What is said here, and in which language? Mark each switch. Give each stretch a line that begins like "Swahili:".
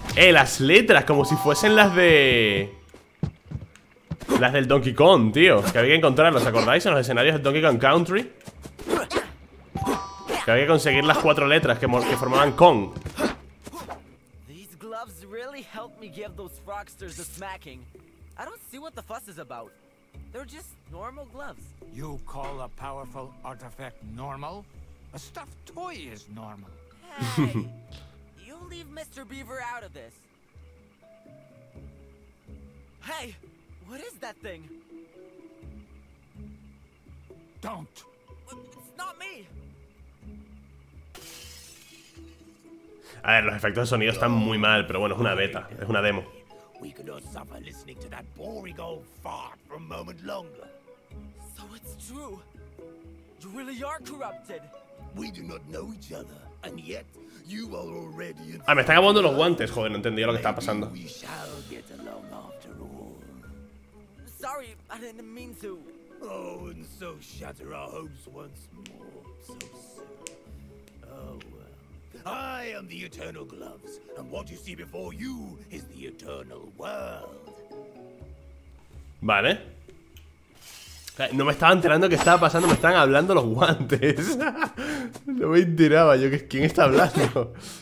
Spanish: Las letras, como si fuesen las de... las del Donkey Kong, tío. Que había que encontrarlas, ¿acordáis? En los escenarios de Donkey Kong Country. Que había que conseguir las 4 letras que formaban Kong.
English: These gloves really help me give those frogsters a smacking. I don't see what the fuss is about. They're just normal gloves. You call a powerful artifact normal? A stuffed toy is normal. Hey, you leave Mr. Beaver out of this. Hey, what is that thing? Don't. It's not me.
Spanish: A ver, los efectos de sonido están muy mal, pero bueno, es una beta, es una demo.
English: We could not suffer listening to that boring old fart for a moment longer. So it's true. You really are corrupted. We do not know each other, and yet you are already.
Spanish: Ah, me están acabando los guantes, joder, no entendía lo que estaba pasando.
English: We shall get along after all. Sorry, I didn't mean to. Oh, and so shatter our hopes once more. So soon. Oh. I am the Eternal Gloves, and what you see before you is the Eternal World.
Spanish: Vale. No me estaba enterando qué estaba pasando, me estaban hablando los guantes. No me enteraba yo que quién está hablando.